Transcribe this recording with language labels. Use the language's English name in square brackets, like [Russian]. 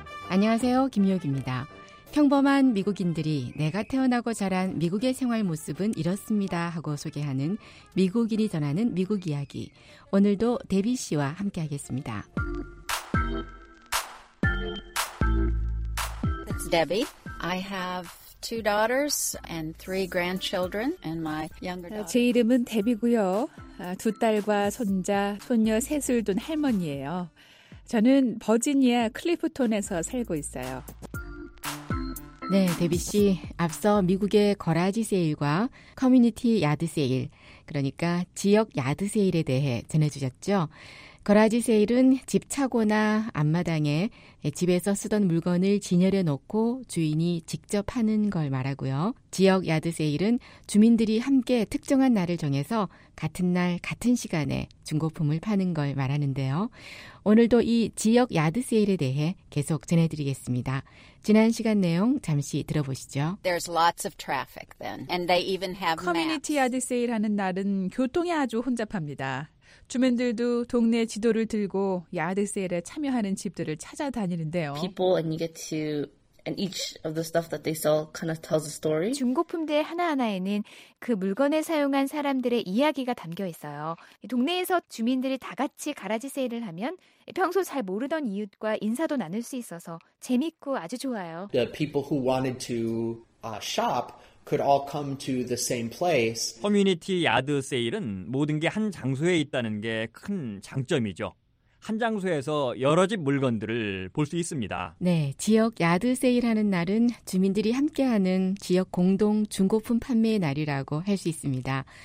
[Korean] 안녕하세요. 김유옥입니다. 평범한 미국인들이 내가 태어나고 자란 미국의 생활 모습은 이렇습니다 하고 소개하는 미국인이 전하는 미국 이야기. 오늘도 데비 씨와 함께 하겠습니다. [English] It's Debbie. I have two daughters and three grandchildren and my younger daughter. [Korean] 제 이름은 데비고요. 두 딸과 손자, 손녀 셋을 둔 할머니예요. 저는 버지니아 클리프톤에서 살고 있어요. 네, 데비 씨. 앞서 미국의 거라지 세일과 커뮤니티 야드 세일, 그러니까 지역 야드 세일에 대해 전해주셨죠. 거라지 세일은 집 차고나 앞마당에 집에서 쓰던 물건을 진열해 놓고 주인이 직접 파는 걸 말하고요. 지역 야드 세일은 주민들이 함께 특정한 날을 정해서 같은 날 같은 시간에 중고품을 파는 걸 말하는데요. 오늘도 이 지역 야드 세일에 대해 계속 전해드리겠습니다. 지난 시간 내용 잠시 들어보시죠. [English] There's lots of traffic then, and they even have maps. [Korean] 커뮤니티 야드 세일 하는 날은 교통이 아주 혼잡합니다. 주민들도 동네 지도를 들고 야드 세일에 참여하는 집들을 찾아다니는데요. [English] People and you get to and each of the stuff that they sell kind of tells a story. [Korean] 중고품들 하나하나에는 그 물건을 사용한 사람들의 이야기가 담겨 있어요. 동네에서 주민들이 다 같이 가라지 세일을 하면 평소 잘 모르던 이웃과 인사도 나눌 수 있어서 재밌고 아주 좋아요. [English] The people who wanted to shop could all come to the same place. [Korean] 커뮤니티 야드 세일은 모든 게 한 장소에 있다는 게 큰 장점이죠. 한 장소에서 여러 집 물건들을 볼 수 있습니다. 네, 지역 야드 세일하는 날은 주민들이 함께하는 지역 공동 중고품 판매의 날이라고 할 수 있습니다.